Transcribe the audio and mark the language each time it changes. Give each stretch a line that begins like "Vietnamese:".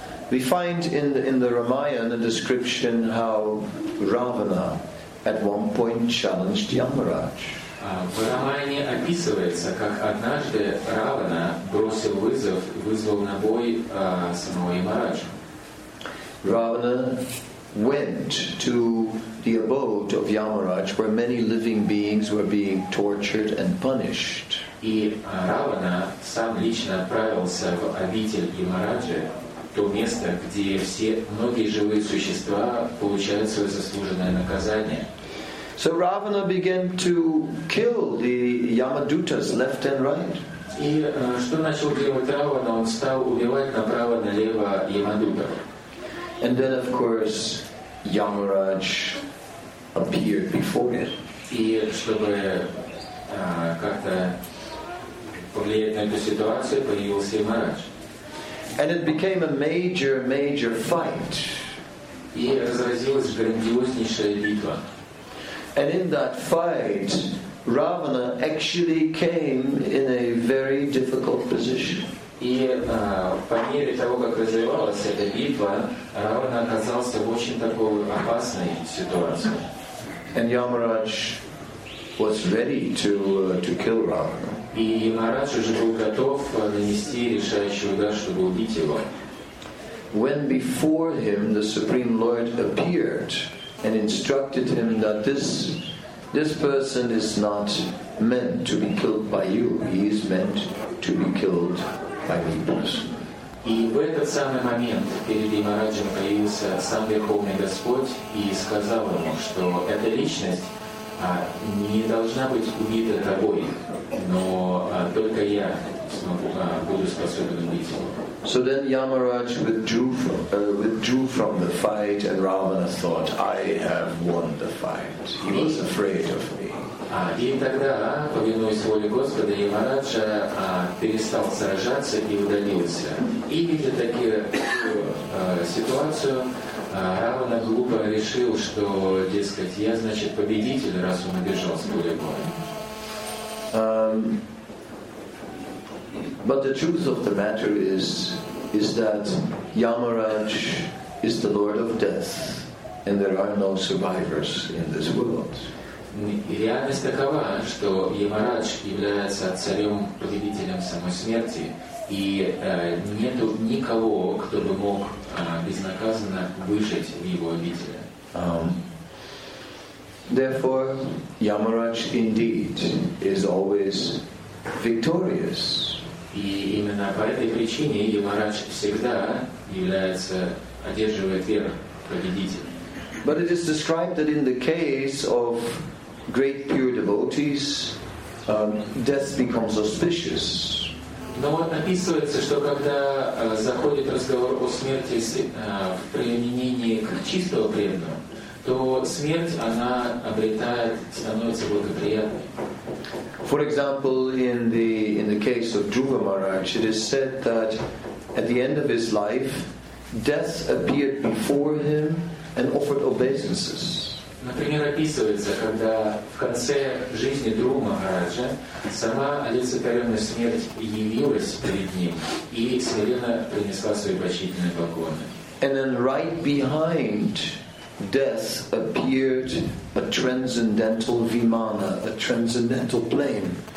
English: We find in the Ramayana a description how Ravana at one point challenged Yamaraj.
Russian: В Рамаяне описывается, как однажды Равана бросил вызов, вызвал на бой самого Ямараджу.
English: Ravana went to the abode of Yamaraj, where many living beings were being tortured and punished.
Russian: И Равана сам лично отправился в обитель Ямараджи, то место, где все многие живые существа получают свое заслуженное наказание.
English: So Ravana began to kill the Yamadutas left and right.
Russian: И что начал делать Равана? Он стал убивать направо налево Ямадутов.
English: And then, of course, Yamaraj appeared before him.
Russian: И чтобы как-то повлиять на эту ситуацию, появился Ямарадж.
English: And it became a major, major fight.
Russian: И разразилась грандиознейшая битва.
English: And in that fight, Ravana actually came in a very difficult position.
Russian: И по мере того, как развивалась эта битва, Равана оказался в очень такой опасной ситуации.
English: And Yamaraj was ready to kill Ravana.
Russian: И Ямарадж уже был готов нанести решающий удар, чтобы убить его.
English: When before him the Supreme Lord appeared and instructed him that this person is not meant to be killed by you, he is meant to be killed by me.
Russian: И в этот самый момент перед Ямараджем появился сам Верховный Господь и сказал ему, что эта личность не должна быть убита тобой, но только я буду способен убить его.
English: So then Yamaraj withdrew from the fight, and Ravana thought, I have won the fight. He was afraid of me.
Russian: И тогда, повинуясь воле Господа, Ямарадж перестал сражаться и удалился. И видя такую ситуацию, Равана глупо решил, что, дескать, я, значит, победитель, раз он убежал с поля боя.
English: But the truth of the matter is that Yamaraj is the Lord of Death, and there are no survivors in this world.
Russian: Реальность такова, что Ямарадж является царем, победителем самой смерти, и нет никого, кто бы мог безнаказанно выжить в его обители.
English: Therefore, Yamaraj indeed is always victorious.
Russian: И именно по этой причине Ямарадж всегда является, одерживает верх, победителем.
English: But it is described that in the case of great pure devotees, death becomes auspicious.
Russian: Но вот описывается, что когда заходит разговор о смерти в применении к чистого преданного, то смерть, она обретает, становится благоприятной.
English: For example, in the case of Dhruva Maharaj, it is said that at the end of his life, death appeared before him and offered obeisances.
Russian: Например, описывается, когда в конце жизни Дхрува Махараджа сама олицетворенная смерть явилась перед ним и смиренно принесла свои почтительные поклоны.
English: And then right behind death appeared a transcendental vimana, a transcendental plane.